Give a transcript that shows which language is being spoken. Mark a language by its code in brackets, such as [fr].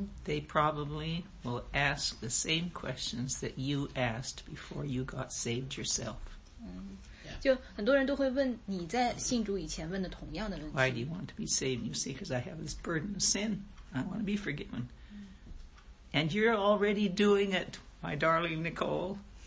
[en] They probably will ask the same questions that you asked before you got saved yourself. [zh] 就很多人都会问你在信主以前问的同样的问题。 [en] Why do you want to be saved? You say, because I have this burden of sin. I want to be forgiven. And you're already doing it, my darling Nicole.